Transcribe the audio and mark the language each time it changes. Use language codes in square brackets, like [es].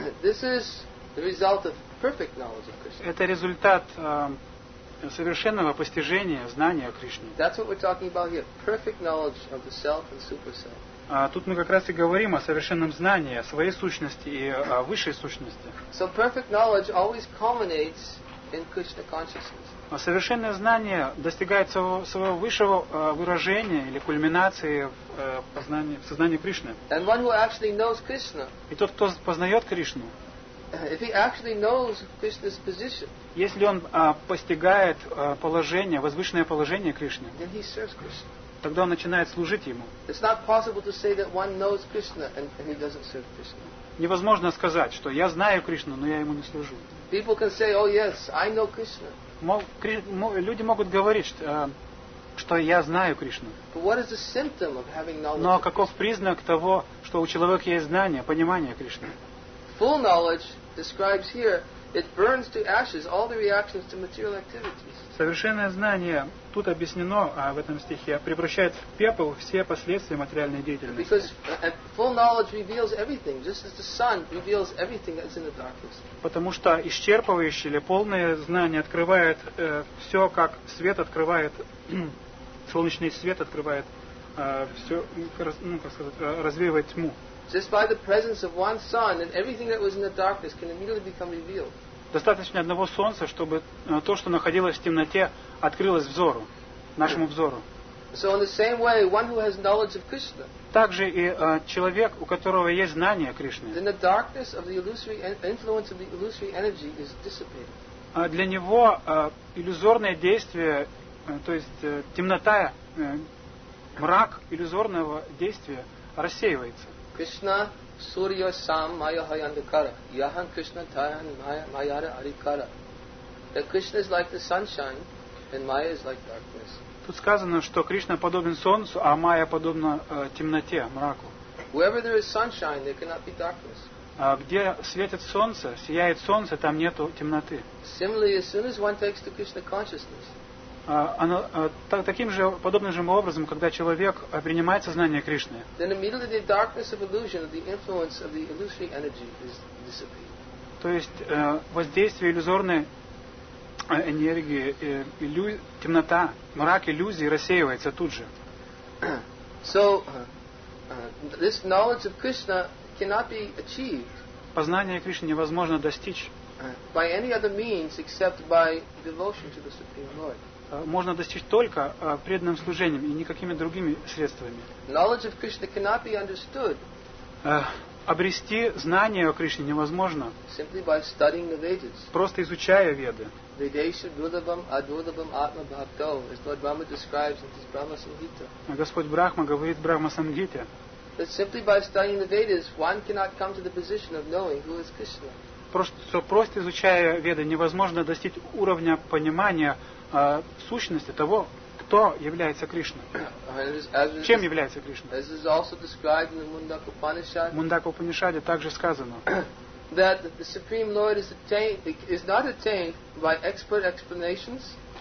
[en] This is the result of perfect knowledge of Krishna. [ru] Это результат совершенного постижения знания о Кришне. [en] That's what we're talking about here. Perfect knowledge of the self and super self. [ru] А тут мы как раз и говорим о совершенном знании, о своей сущности и о высшей сущности. [en] So perfect knowledge always culminates in Krishna consciousness. [ru] А совершенное знание достигает своего высшего выражения или кульминации в сознании Кришны. [en] And one who actually knows Krishna. [ru] И тот, кто познает Кришну. [en] If he actually knows Krishna's position, [ru] если он постигает положение, возвышенное положение Кришны, [en] then he serves Krishna. [ru] Тогда он начинает служить ему. [en] It's not possible to say that one knows Krishna and he doesn't serve Krishna. [ru] Невозможно сказать, что я знаю Кришну, но я ему не служу. [en] People can say, "Oh yes, I know Krishna." [ru] Люди могут говорить, что я знаю Кришну. [en] But what is the symptom of having knowledge? [ru] Но каков признак того, что у человека есть знание, понимание Кришны? [en] Full knowledge describes here it burns to ashes all the reactions to material activities. [ru] Совершенное знание тут объяснено в этом стихе превращает в пепел все последствия материальной деятельности. [en] Because full knowledge reveals everything, just as the sun reveals everything that's in the darkness. [ru] Потому что исчерпывающее или полное знание открывает все, как свет открывает солнечный свет открывает все, развеивает тьму. [en] Just by the presence of one sun and everything that was in the darkness can immediately become revealed. [ru] Достаточно одного солнца, чтобы то, что находилось в темноте, открылось взору, нашему взору. [en] So in the same way, one who has knowledge of Krishna. [ru] Также и человек, у которого есть знание Кришны. [en] Then the darkness of the illusory influence of the illusory energy is dissipated. [ru] Для него иллюзорное действие, то есть темнота, мрак иллюзорного действия рассеивается. [sa] Krishna Surya Sam Mayahayandakara Yahan Krishna Tayan Mayara Arikara. [en] That Krishna is like the sunshine and Maya is like darkness. [ru] Тут сказано, что Кришна подобен солнцу, а Майя подобна темноте, мраку. [en] Wherever there is sunshine, there cannot be darkness. [ru] Где светит солнце, сияет солнце, там нету темноты. [en] Similarly, as soon as one takes to Krishna consciousness. [ru] Подобным же образом, когда человек принимает сознание Кришны, [en] then immediately the darkness of illusion, the influence of the illusory energy is dissipated. [ru] То есть воздействие иллюзорной энергии, темнота, мрак иллюзии рассеивается тут же. [en] So this knowledge of Krishna cannot be achieved. [ru] Познание Кришны невозможно достичь. [en] By any other means except by devotion to the Supreme Lord. [ru] Можно достичь только преданным служением и никакими другими средствами. [en] Knowledge of Krishna cannot be understood. [ru] Обрести знание о Кришне невозможно. [en] Simply by studying the Vedas. [ru] Просто изучая Веды. [sa] Vedesha durlabham adurlabham atma bhakto, [en] as Lord Brahma describes in his Brahma Samhita. [ru] Господь Брахма говорит в Брахма Самгите. [en] That simply by studying the Vedas, one cannot come to the position of knowing who is Krishna. [ru] Просто изучая Веды невозможно достичь уровня понимания сущности того, кто является Кришна. Чем является Кришна? [en] As is also described in the Mundaka Upanishad. [ru] Mundaka Upanishadе также сказано, [en] that the Supreme Lord is not attained by expert explanations.